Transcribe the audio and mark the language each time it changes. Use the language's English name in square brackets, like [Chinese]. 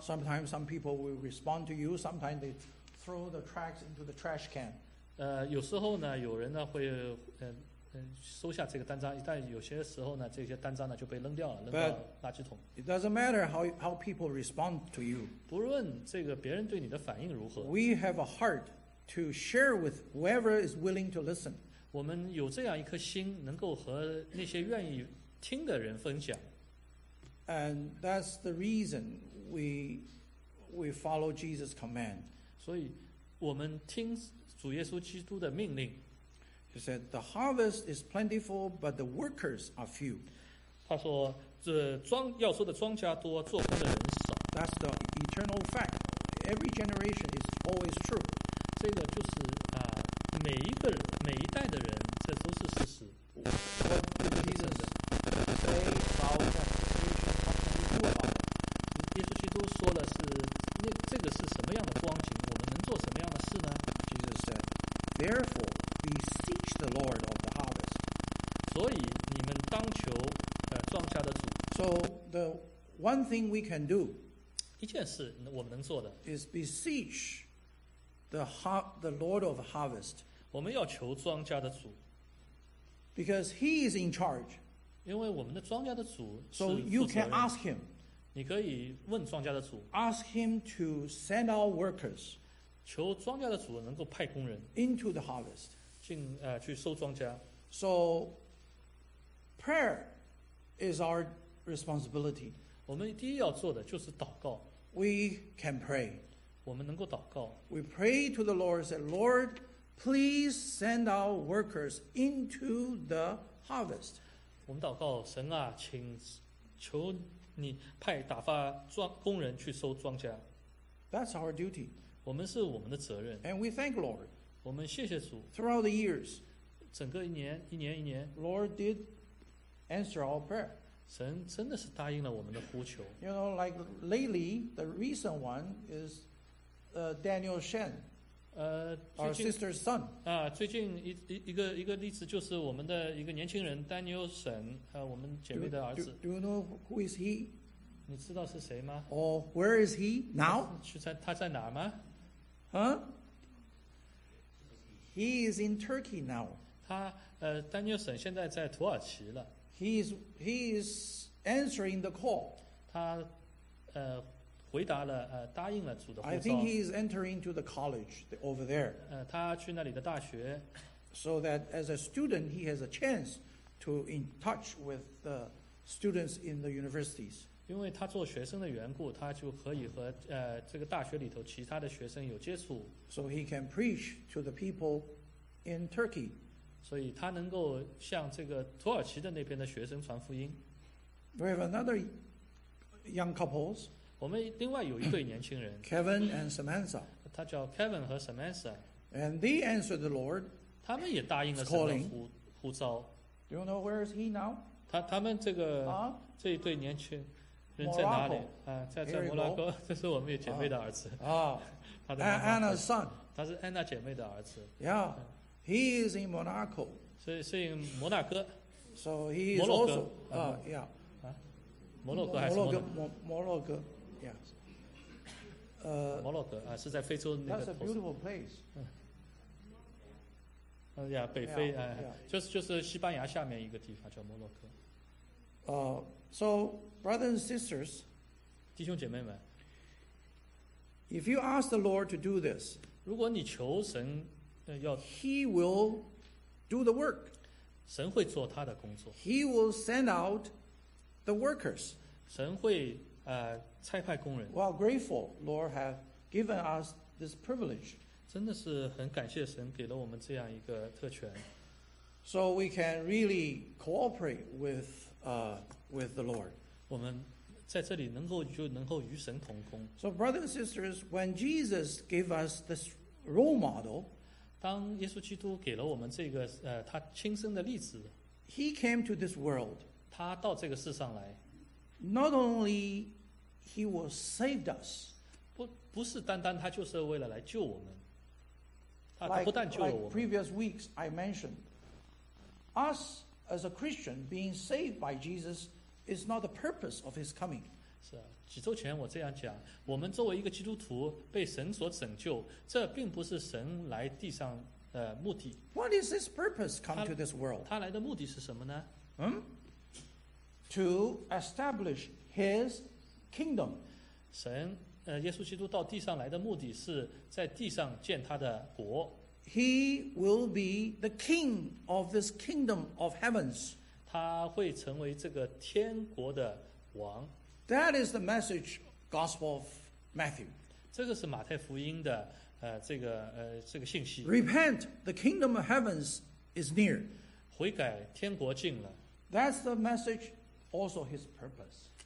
[English] Sometimes some people will respond to you. Sometimes they throw the tracts into the trash can. [Chinese] 有时候呢，有人呢会收下这个单张，但有些时候呢，这些单张呢就被扔掉了，扔到垃圾桶。 [English] But it doesn't matter how people respond to you. [Chinese] 不论这个别人对你的反应如何。 [English] We have a heart to share with whoever is willing to listen. [Chinese] 我们有这样一颗心，能够和那些愿意听的人分享。 [English] And that's the reason we follow Jesus' command. [Chinese] 所以我们听主耶稣基督的命令。 [English] He said, the harvest is plentiful, but the workers are few. [Chinese] 他说，这庄，要收的庄稼多，做工的人少。 [English] That's the eternal fact. Every generation is always true. [Chinese] 这个就是每一个人，每一代的人，这都是事实。 [English] What did Jesus say about that situation? What can we do about it? [Chinese] 耶稣基督说了是，这个是什么样的光景，我们能做什么样的事呢？ [English] Jesus said, therefore,Beseech the Lord of the harvest. [Chinese] 所以你们当求庄稼的主。 [English] So the one thing we can do, [Chinese] 一件事我们能做的 [English] is beseech the Lord of harvest. [Chinese] 我们要求庄稼的主。 [English] Because he is in charge. [Chinese] 因为我们的庄稼的主是负责人。 [English] So you can ask him. [Chinese] 你可以问庄稼的主。 [English] Ask him to send out workers. [Chinese] 求庄稼的主能够派工人 [English] into the harvest. [Chinese] 去收庄稼。 [English] So, prayer is our responsibility. [Chinese] 我们第一要做的就是祷告。 [English] We can pray. [Chinese] 我们能够祷告。 [English] We pray to the Lord, say, Lord, please send our workers into the harvest. [Chinese] 我们祷告神啊，请求你派打发工人去收庄稼。 [English] That's our duty. [Chinese] 我们是我们的责任。 [English] And we thank Lord. [Chinese] 我们谢谢主。 [English] Throughout the years, [Chinese] 整个一年一年一年 [English] ，Lord did answer our prayer. [Chinese] 神真的是答应了我们的呼求。 [English] You know, like lately, the recent one is, Daniel Shen, our sister's son. [Chinese] 最近一个例子就是我们的一个年轻人 Daniel Shen, 我们姐妹的儿子。 [English] Do you know who is he? [Chinese] 你知道是谁吗 [English] ？Or where is he now? [Chinese] 他在哪吗？ [English] He is in Turkey now. [Chinese] 他Daniel Shen现在在土耳其了。 [English] He is answering the call. [Chinese] 他回答了答应了主的呼召。 [English] I think he is entering to the college over there. [Chinese] 他去那里的大学。 [English] So that as a student, he has a chance to in touch with the students in the universities. [Chinese] 因为他做学生的缘故，他就可以和这个大学里头其他的学生有接触。 [English] So he can preach to the people in Turkey. [Chinese] 所以他能够向这个土耳其的那边的学生传福音。 [English] We have another young couples. [Chinese] 我们另外有一对年轻人。 [English] Kevin and Samantha. [Chinese] 他叫 Kevin 和 Samantha. [English] And they answered the Lord. [Chinese] 他们也答应了神的呼召。 [English] Do you know where is he now? [Chinese] 他们这个这一对年轻人在哪里？在摩拉哥，这是我们姐妹的儿子。 [English] Anna's son. [Chinese] 他是 Anna 姐妹的儿子。 [English] Yeah, he is in Monaco. [Chinese] 所以是摩纳哥。 [English] So he is also, yeah. [Chinese] 摩洛哥还是摩洛哥 yeah. 摩洛哥是在非洲那个。 [English] That's a beautiful place. [Chinese] 北非 就是西班牙下面一个地方叫摩洛哥。 [English] So brothers and sisters, [Chinese] 弟兄姐妹们 [English] ，If you ask the Lord to do this, [Chinese] 如果你求神要 [English] ，He will do the work. [Chinese] 神会做他的工作。 [English] He will send out the workers. [Chinese] 神会差派工人。 [English] Well, grateful Lord have given us this privilege. [Chinese] 真的是很感谢神给了我们这样一个特权。 [English] So we can really cooperate with the Lord. [Chinese] 我们在这里能够与神同工。 [English] So brothers and sisters, when Jesus gave us this role model, [Chinese] 当耶稣基督给了我们这个他亲身的例子 [English] ，He came to this world. [Chinese] 他到这个世上来。 [English] Not only he will save us. [Chinese] 不是单单他就是为了来救我们。 [English] Like previous weeks I mentioned, us as a Christian being saved by Jesus is not the purpose of his coming. [Chinese] 几周前我这样讲,我们作为一个基督徒被神所拯救,这并不是神来地上, 目的。 [English] What is his purpose come to this world? [Chinese] 他来的目的是什么呢? [English] To establish his kingdom. [Chinese] 神, 耶稣基督到地上来的目的是在地上建他的国。 [English] He will be the king of this kingdom of heavens. [Chinese] 他会成为这个天国的王。 [English] That is the message gospel of Matthew. [Chinese] 这个是马太福音的, 这个, 这个信息。 [English] Repent, the kingdom of heavens is near. [Chinese] 悔改天国近了。 [English] That's the message also his purpose.